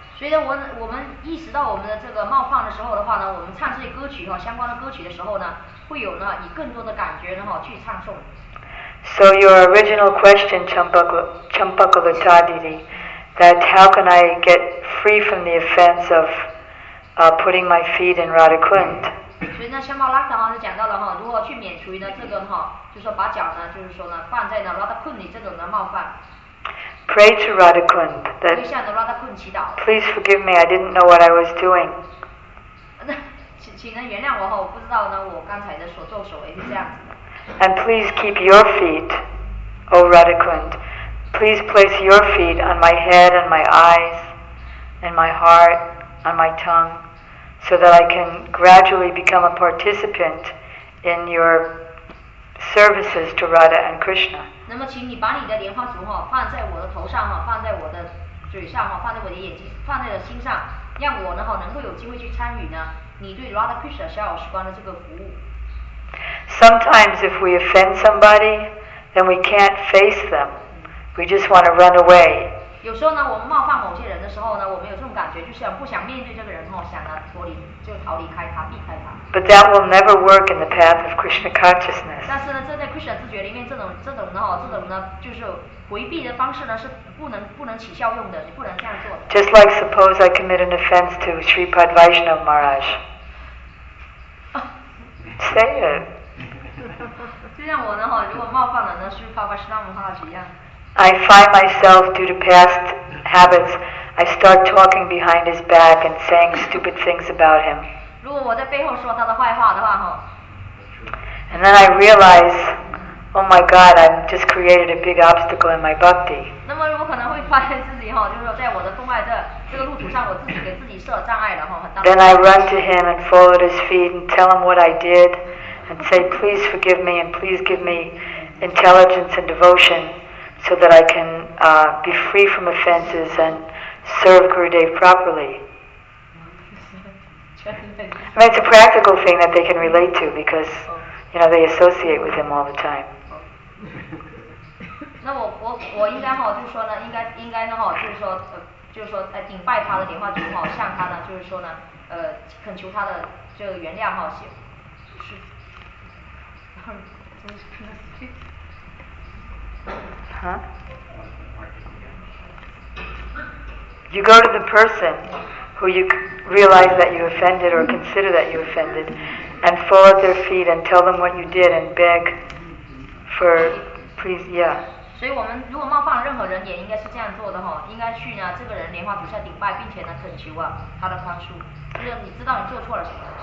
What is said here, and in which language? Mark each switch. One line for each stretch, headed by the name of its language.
English: So your original question, Champakalata Didi, that how can I get free from the offense of putting my feet in Radhakund.
Chinese: 所以呢，像马拉卡呢讲到了哈，如何去免除呢这个哈，就说把脚呢，就是说呢放在呢Radhakund里这种的冒犯。
English: Pray to Radhakund that.
Chinese: 可以向着Radhakund祈祷。
English: Please forgive me. I didn't know what I was doing.
Chinese: 那请呢原谅我哈，我不知道呢我刚才的所作所为是这样子。
English: And please keep your feet, O Radhakund. Please place your feet on my head and my eyes, and my heart, on my tongue, so that I can gradually become a participant in your services to Radha and Krishna.
Chinese: 那么，请你把你的莲花足哈放在我的头上哈，放在我的嘴上哈，放在我的眼睛，放在我的心上，让我呢哈能够有机会去参与呢你对 Radha Krishna 逍遥时光的这个服务。
English: Sometimes if we offend somebody, then we can't face them. We just want to run away.
Chinese: 有时候呢，我们冒犯某些人的时候呢，我们有这种感觉，就是不想面对这个人，想呢脱离，就逃离开他，避开他。
English: But that will never work in the path of Krishna consciousness.
Chinese: 但是呢，这在 Krishna 自觉里面，这种呢，就是回避的方式呢，是不能起效用的，你不能这样做的。
English: Just like suppose I commit an offense to Sri Pad Vaishnav Maharaj. Say it.
Chinese: 就像我呢哈，如果冒犯了呢，是帕帕什纳姆哈吉一样。
English: I find myself due to past habits, I start talking behind his back and saying stupid things about him.
Chinese: 如果我在背后说他的坏话的话哈。
English: And then I realize, oh my God, I've just created a big obstacle in my bhakti.
Chinese: 那么我可能会发现自己哈，就是说在我的动脉的这个路途上，我自己给自己设障碍了哈，很大。
English: Then I run to him and fall at his feet and tell him what I did. And say, please forgive me, and please give me intelligence and devotion, so that I can be free from offenses and serve Gurudev properly. I mean, it's a practical thing that they can relate to because, you know, they associate with him all the time.
Chinese: 那我应该哈，就是说呢，应该呢哈，就是说，顶拜他的莲花主哈，向他呢，就是说呢，恳求他的这个原谅哈，是。 Huh?
English: You go to the person who you realize that you offended or consider that you offended and fall at their feet and tell them what you did and beg for, please, yeah.
Chinese: 所以我们如果冒犯了任何人也应该是这样做的哈，应该去呢这个人莲花底下顶拜，并且呢恳求啊他的宽恕，就是你知道你做错了什么。